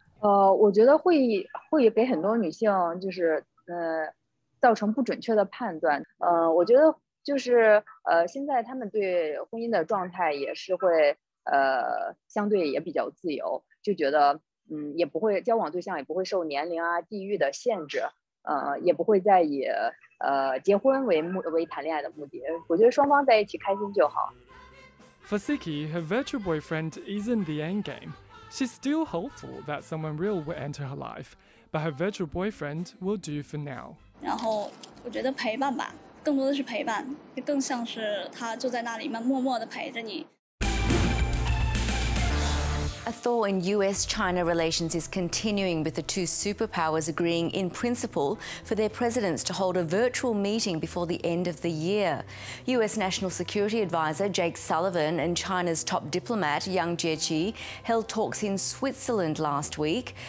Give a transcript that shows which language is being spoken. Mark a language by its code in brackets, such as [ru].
[zh] 我觉得会给很多女性就是造成不准确的判断。我觉得就是现在他们对婚姻的状态也是会相对也比较自由，就觉得也不会交往对象也不会受年龄啊地域的限制，也不会再以结婚为谈恋爱的目的。我觉得双方在一起开心就好。 [en] For Siki, her virtual boyfriend isn't the end game. She's still hopeful that someone real will enter her life, but her virtual boyfriend will do for now. [zh] 然后我觉得陪伴吧，更多的是陪伴，更像是他坐在那里默默地陪着你。 [en] A thaw in US-China relations is continuing with the two superpowers agreeing in principle for their presidents to hold a virtual meeting before the end of the year. US National Security Advisor Jake Sullivan and China's top diplomat Yang Jiechi held talks in Switzerland last week.